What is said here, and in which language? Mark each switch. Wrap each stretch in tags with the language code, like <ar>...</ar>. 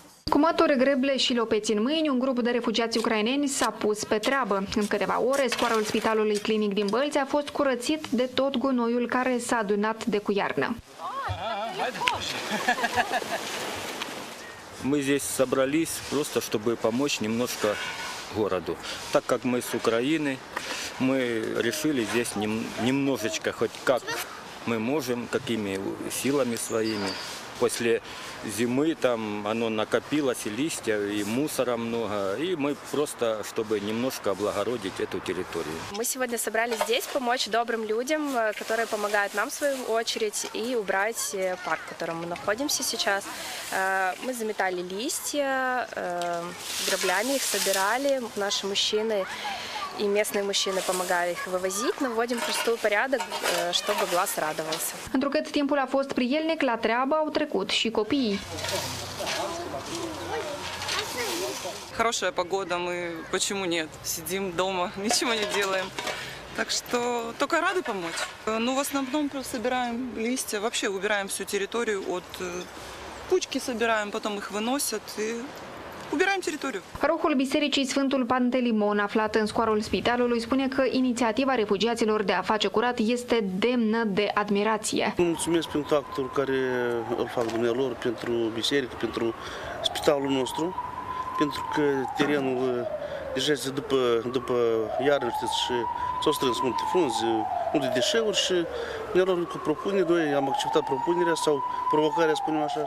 <ro>Cu mături, greble și lopeți în mâini, un grup de refugiați ucraineni s-a pus pe treabă. În câteva ore, scoarul Spitalului Clinic din Bălți a fost curățit de tot gunoiul care s-a adunat de cu iarnă.</ro> <ru>Ми здесь собрались просто чтобы помочь немножко городу. Так как мы с Украины, мы решили здесь немножечко хоть как мы можем, какими силами своими. После зимы там оно накопилось и листья, и мусора много, и мы просто, чтобы немножко облагородить эту территорию. Мы сегодня собрались здесь помочь добрым людям, которые помогают нам в свою очередь, и убрать парк, в котором мы находимся сейчас. Мы заметали листья, граблями их собирали, наши мужчины и местные мужчины помогали их вывозить, наводим простой порядок, чтобы глаз радовался.</ru> <ro>Întrucât timpul a fost prielnic, la treabă au trecut și copiii.</ro> <ru>Хорошая погода, мы почему нет? Сидим дома, ничего не делаем. Так что только рады помочь. Ну, в основном собираем листья, вообще убираем всю территорию от пучки собираем, потом их выносят и убираем территорию.</ru> <ro>Rohul Bisericii Sfântul Pantelimon, aflat în scoarul spitalului, spune că inițiativa refugiaților de a face curat este demnă de admirație. Mulțumesc pentru actul care îl fac dumnealor pentru biserică, pentru spitalul nostru, pentru că terenul deja este după iarnă, știți, și s-au strâns multe frunze, multe deșeuri și dumnealor cu propunerea, noi am acceptat propunerea sau provocarea, spunem așa.</ro>